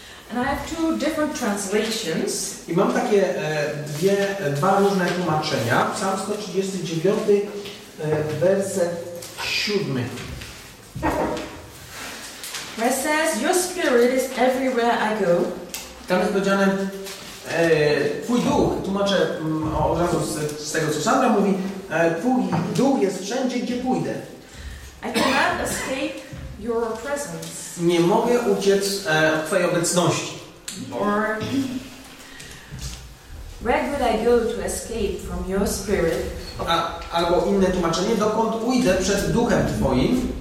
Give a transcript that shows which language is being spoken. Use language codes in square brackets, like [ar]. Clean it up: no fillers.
[en] And I have two different translations. [pl] I mam takie dwa różne tłumaczenia. Psalm 139, werset 7. [en] Where it says, your spirit is everywhere I go. [pl] Tam jest powiedziane, twój duch, tłumaczę od razu z tego, co Sandra mówi, twój duch jest wszędzie, gdzie pójdę. [en] I cannot escape your presence. [pl] Nie mogę uciec twojej obecności. [en] Or, where would I go to escape from your spirit? [pl] Albo inne tłumaczenie, dokąd pójdę przed duchem twoim?